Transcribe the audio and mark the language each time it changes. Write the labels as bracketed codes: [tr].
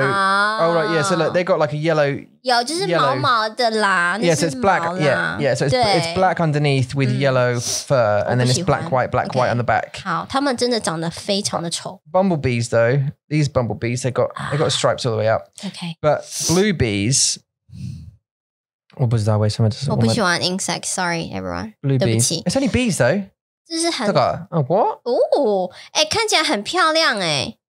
[en] Oh, right, yeah, so look, they got like a yellow... [zh] 有,就是毛毛的啦, [en] yeah, so it's black. Yeah, yeah, so it's black underneath with yellow fur, and then it's black, white on the back. [zh] 好,他们真的长得非常的丑. [en] Bumblebees, though, these bumblebees, they got stripes all the way up. Okay. But blue bees... [zh] 我不喜欢 insects, [en] sorry everyone. Blue bees. It's only bees though. [zh] 这是很... [en] What? [zh] Ooh, 看起来很漂亮诶,